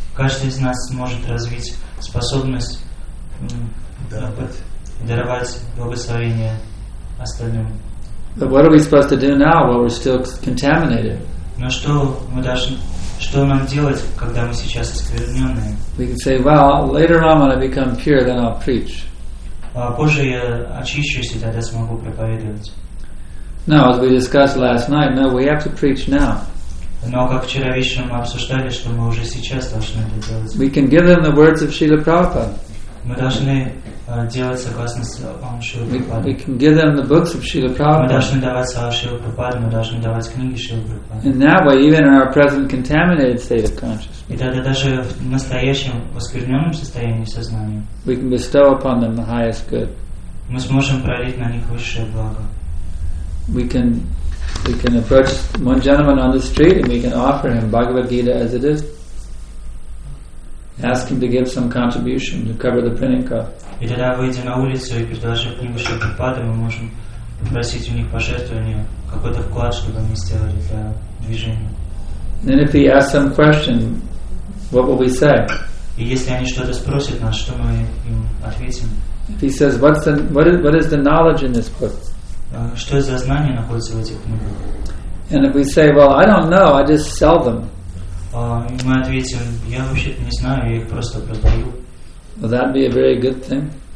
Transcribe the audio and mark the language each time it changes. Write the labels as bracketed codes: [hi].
[ru] Каждый из нас может развить способность даровать благословение остальным. [en] But what are we supposed to do now while we're still contaminated? [ru] Но что мы должны, что нам делать, когда мы сейчас осквернённые? [en] We can say, well, later on when I become pure, then I'll preach. [ru] Позже я очищусь, и тогда смогу проповедовать. [en] No, as we discussed last night, no, we have to preach now. [ru] Но как вчера вечером мы обсуждали, что мы уже сейчас должны это делать. [en] We can give them the words of Srila Prabhupada. [ru] Мы должны делать согласно Шрилы Прабхупады. Мы должны давать слова Шрилы Прабхупады, мы должны давать книги Шрилы Прабхупады. [en] In that way, even in our present contaminated state of consciousness. [ru] И тогда даже в настоящем оскверненном состоянии сознания. [en] We can bestow upon them the highest good. [ru] Мы сможем пролить на них высшее благо. [en] We can approach one gentleman on the street and we can offer him Bhagavad Gita as it is. Ask him to give some contribution to cover the printing cost. [ru] И тогда, выйдя на улицу и предложив книгу Шрилы Прабхупады, мы можем попросить у них пожертвования, какой-то вклад, чтобы они сделали для движения. [en] Then if he asks some question, what will we say? [ru] И если они что-то спросят нас, что мы им ответим? [en] If he says, what is the knowledge in this book? [ru] Что за знание находится в этих книгах? [en] And if we say, well, I don't know, I just sell them. Will that be a very good thing?